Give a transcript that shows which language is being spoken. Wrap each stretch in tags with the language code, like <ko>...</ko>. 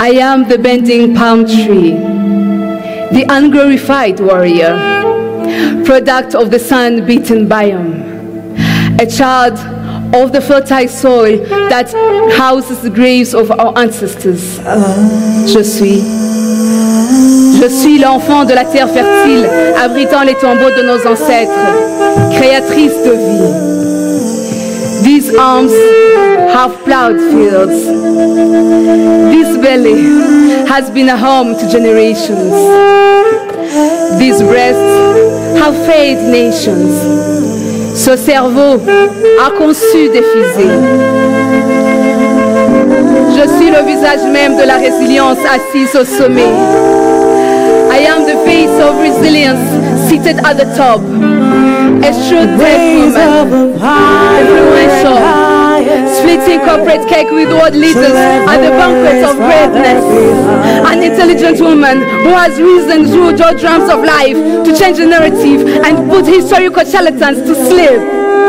<en>I am the bending palm tree, the unglorified warrior, product of the sun-beaten biome, a child of the fertile soil that houses the graves of our ancestors.</en> <fr>Je suis l'enfant de la terre fertile, abritant les tombeaux de nos ancêtres, créatrice de vie.</fr> <en>These arms have plowed fields. This belly has been a home to generations. These breasts have fed nations.</en> <fr>Ce cerveau a conçu des fusées. Je suis le visage même de la résilience assise au sommet.</fr> <en>I am the face of resilience seated at the top. A true tech woman, influential, fleeting corporate cake with world leaders at the banquet of greatness. An intelligent woman who has risen through the drums of life to change the narrative and put historical charlatans to sleep.</en>